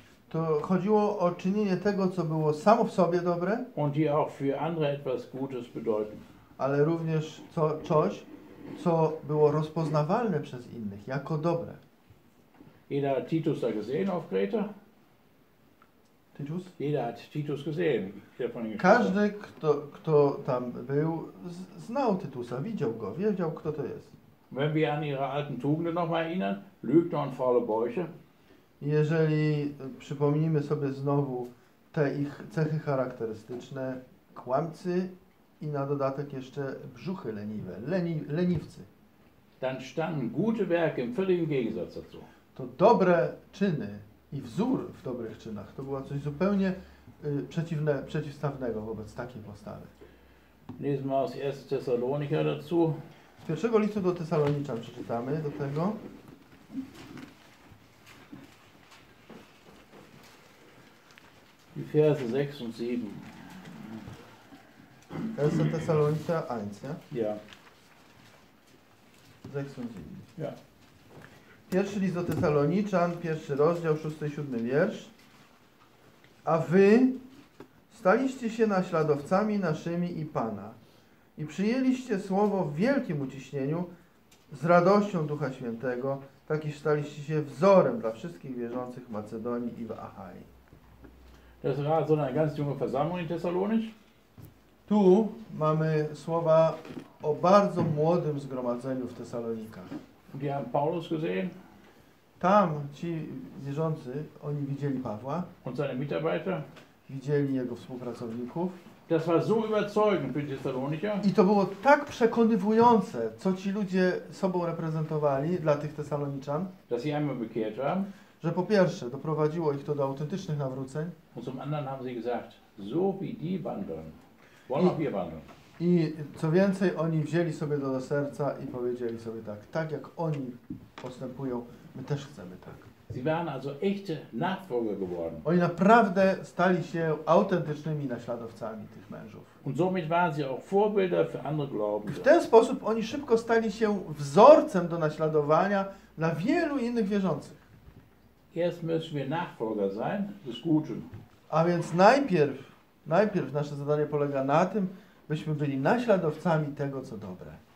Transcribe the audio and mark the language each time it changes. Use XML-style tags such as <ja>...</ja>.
<pl>To chodziło o czynienie tego, co było samo w sobie dobre.</pl> <de>Und die auch für andere etwas Gutes bedeuten.</de> <pl>Ale również coś, co było rozpoznawalne przez innych, jako dobre.</pl> <de>Jeder hat Titus da gesehen auf Kreta. Titus? Jeder hat Titus gesehen.</de> <pl>Każdy, kto tam był, znał Titusa, widział go, wiedział, kto to jest.</pl> <de>Wenn wir an ihre alten Tugenden noch mal erinnern, Lügner und faule Bäuche.</de> <pl>Jeżeli przypomnimy sobie znowu te ich cechy charakterystyczne, kłamcy, i na dodatek jeszcze brzuchy leniwe, leniwcy.</pl> <de>Dann standen gute Werke im völligen Gegensatz dazu.</de> <pl>To dobre czyny i wzór w dobrych czynach, to było coś zupełnie przeciwstawnego wobec takiej postawy.</pl> <de>Lesen wir aus 1. Thessalonicher dazu.</de> <pl>Z pierwszego listu do Thessalonicza przeczytamy do tego.</pl> <de>Die Verse 6 und 7.</de> <pl>1. Thessalonicza 1, ja?</pl> <de>Ja. 6 und 7. Ja.</de> <pl>Pierwszy list do Thessaloniczan, pierwszy rozdział, 6-7 wiersz. A wy staliście się naśladowcami naszymi i Pana i przyjęliście słowo w wielkim uciśnieniu z radością Ducha Świętego, tak iż staliście się wzorem dla wszystkich wierzących w Macedonii i w Achai.</pl> <de>Das war so eine ganz junge Versammlung in Thessalonich.</de> <pl>Tu mamy słowa o bardzo młodym zgromadzeniu w Thessalonikach.</pl> <de>Die haben Paulus gesehen.</de> <pl>Tam ci wierzący, oni widzieli Pawła.</pl> <de>Und seine Mitarbeiter.</de> <pl>Widzieli jego współpracowników.</pl> <de>Das war so überzeugend für Thessalonicher.</de> <pl>I to było tak przekonywujące, co ci ludzie sobą reprezentowali dla tych Thessaloniczan.</pl> <de>Dass sie einmal bekehrt haben.</de> <pl>że po pierwsze doprowadziło ich to do autentycznych nawróceń.</pl> <de>Und zum anderen haben sie gesagt, so wie die wandeln, wollen auch wir wandeln.</de> <pl>I co więcej, oni wzięli sobie to do serca i powiedzieli sobie tak, tak jak oni postępują, my też chcemy tak.</pl> <de>Sie waren also echte Nachfolger geworden.</de> <pl>Oni naprawdę stali się autentycznymi naśladowcami tych mężów.</pl> <de>Und somit waren sie auch Vorbilder für andere Glaubende.</de> <pl>W ten sposób oni szybko stali się wzorcem do naśladowania dla wielu innych wierzących.</pl> <de>Erst müssen wir Nachfolger sein, des Guten.</de> <pl>A więc najpierw nasze zadanie polega na tym, byśmy byli naśladowcami tego, co dobre.</pl>